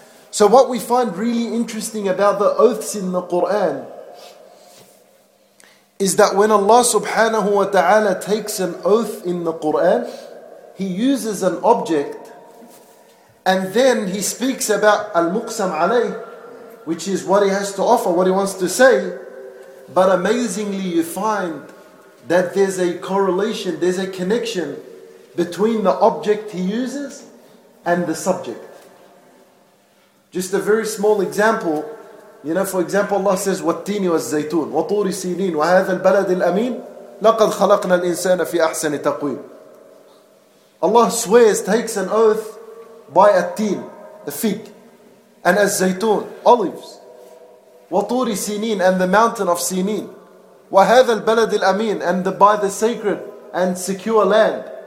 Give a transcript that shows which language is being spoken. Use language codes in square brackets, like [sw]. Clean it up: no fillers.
[en] So what we find really interesting about the oaths in the Quran is that when Allah subhanahu wa ta'ala takes an oath in the Quran, He uses an object and then He speaks about al-muqsam alayh, which is what He has to offer, what He wants to say. But amazingly you find that there's a correlation, there's a connection between the object He uses and the subject. [ar] Just a very small example, you know, for example, Allah says, وَالتِّينِ وَالزَّيْتُونِ وَطُورِ سِينِينَ وَهَذَا الْبَلَدِ الْأَمِينِ لَقَدْ خَلَقْنَا الْإِنسَانَ فِي أَحْسَنِ تَقْوِيمٍ. [en] Allah swears, takes an oath by at-teen, the fig, and az-zaytun, olives, waturi sinin, and the mountain of sinin, wa hadha al-balad al-amin, and by the sacred and secure land.